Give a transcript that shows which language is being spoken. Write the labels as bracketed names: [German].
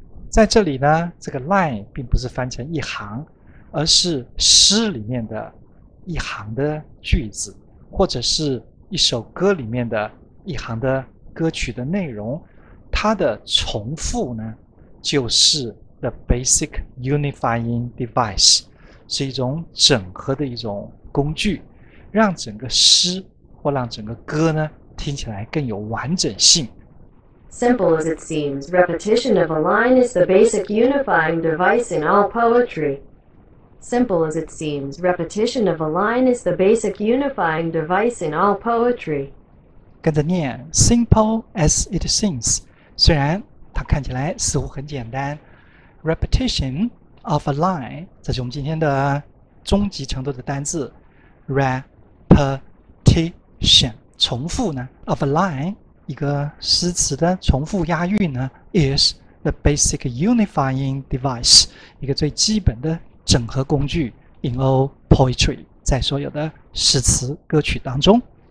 [Chinese] 在这里呢，这个 line 并不是翻成一行，而是诗里面的一行的句子，或者是一首歌里面的一行的歌曲的内容。它的重复呢，就是 the basic unifying device，是一种整合的一种工具，让整个诗或让整个歌呢听起来更有完整性。 [English] Simple as it seems, repetition of a line is the basic unifying device in all poetry. Simple as it seems, repetition of a line is the basic unifying device in all poetry. [Chinese] 跟着念 ， simple as it seems。虽然它看起来似乎很简单 ， repetition of a line，这是我们今天的中级程度的单字 ，repetition 重复呢 ， of a line 一个诗词的重复押韵呢 ， is the basic unifying device，一个最基本的整合工具 in all poetry，在所有的诗词歌曲当中。